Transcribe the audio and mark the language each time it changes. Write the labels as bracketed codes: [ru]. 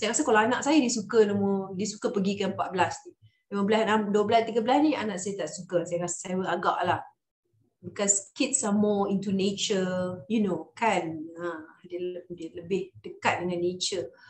[ms] Saya rasa kalau anak saya dia suka pergi ke 14 ni. 15, 12, 13 ni anak saya tak suka. Saya rasa saya agak lah. [en] Because kids are more into nature, you know, [ms] kan. Dia lebih dekat dengan nature.